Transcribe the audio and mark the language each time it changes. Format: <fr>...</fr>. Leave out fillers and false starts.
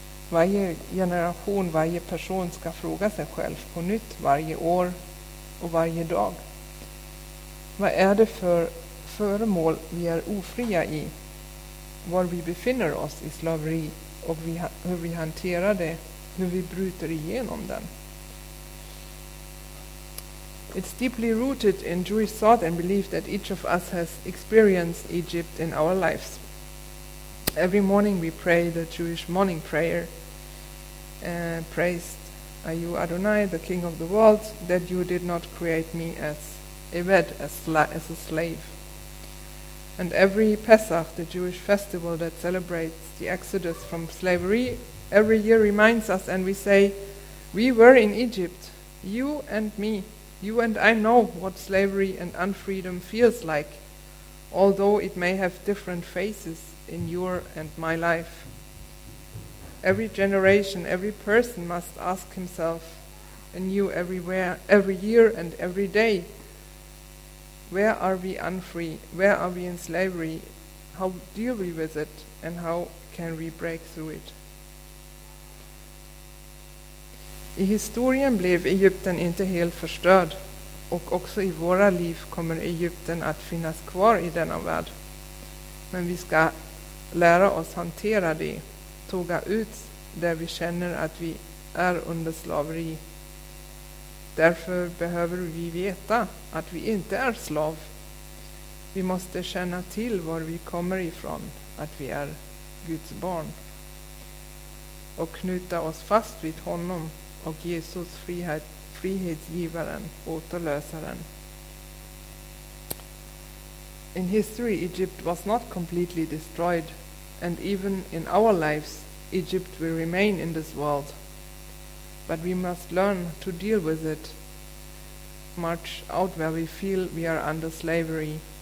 <sv>Varje generation, varje person ska fråga sig själv på nytt varje år och varje dag. Vad är det för föremål vi är ofria i? Var vi befinner oss i slaveri och hur vi hanterar det, hur vi bryter igenom den.</sv> <en>It's deeply rooted in Jewish thought and belief that each of us has experienced Egypt in our lives. Every morning we pray the Jewish morning prayer. Praised are you Adonai, the King of the world, that you did not create me as Eved, as a slave. And every Pesach, the Jewish festival that celebrates the exodus from slavery, every year reminds us and we say, we were in Egypt, you and me, you and I know what slavery and unfreedom feels like, although it may have different faces in your and my life. Every generation, every person must ask himself anew everywhere, every year and every day, where are we unfree? Where are we in slavery? how deal we with it, and how can we break through it?</en> <sv>I historien blev Egypten inte helt förstörd, och också i våra liv kommer Egypten att finnas kvar i denna värld. Men vi ska lära oss hantera det, tåga ut där vi känner att vi är under slaveri. Därför behöver vi veta att vi inte är slav. Vi måste känna till var vi kommer ifrån, att vi är Guds barn, och knyta oss fast vid honom och Jesus, frihetsgivaren, återlösaren.</sv> <en>In history, Egypt was not completely destroyed, and even in our lives, Egypt will remain in this world. But we must learn to deal with it, march out where we feel we are under slavery.</en>